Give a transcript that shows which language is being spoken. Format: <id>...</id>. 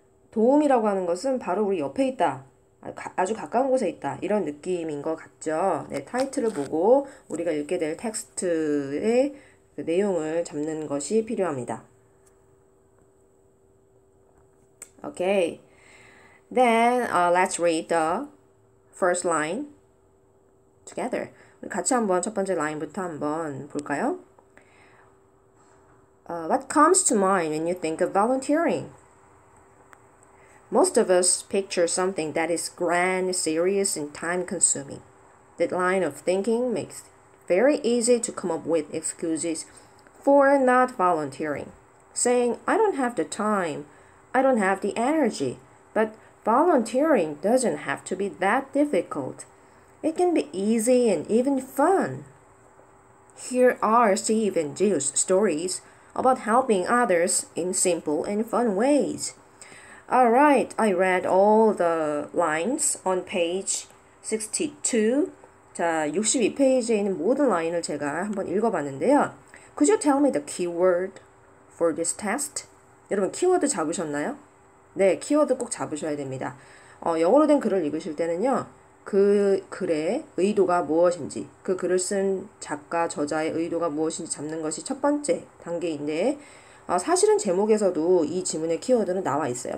<ko>도움이라고 하는 것은 바로 우리 옆에 있다, 아주 가까운 곳에 있다, 이런 느낌인 것 같죠. 네, 타이틀을 보고 우리가 읽게 될 텍스트의 그 내용을 잡는 것이 필요합니다.</ko> <en>Okay, then let's read the first line together.</en> <ko>우리 같이 한번 첫 번째 라인부터 한번 볼까요?</ko> <en>What comes to mind when you think of volunteering? Most of us picture something that is grand, serious, and time-consuming. That line of thinking makes it very easy to come up with excuses for not volunteering. Saying, I don't have the time, I don't have the energy. But volunteering doesn't have to be that difficult. It can be easy and even fun. Here are Steve and Jill's stories about helping others in simple and fun ways. Alright, I read all the lines on page 62.</en> <ko>자, 62페이지에 있는 모든 라인을 제가 한번 읽어봤는데요.</ko> <en>Could you tell me the keyword for this test?</en> <ko>여러분, 키워드 잡으셨나요? 네, 키워드 꼭 잡으셔야 됩니다. 영어로 된 글을 읽으실 때는요, 그 글의 의도가 무엇인지, 그 글을 쓴 작가, 저자의 의도가 무엇인지 잡는 것이 첫 번째 단계인데, 사실은 제목에서도 이 지문의 키워드는 나와 있어요.</ko>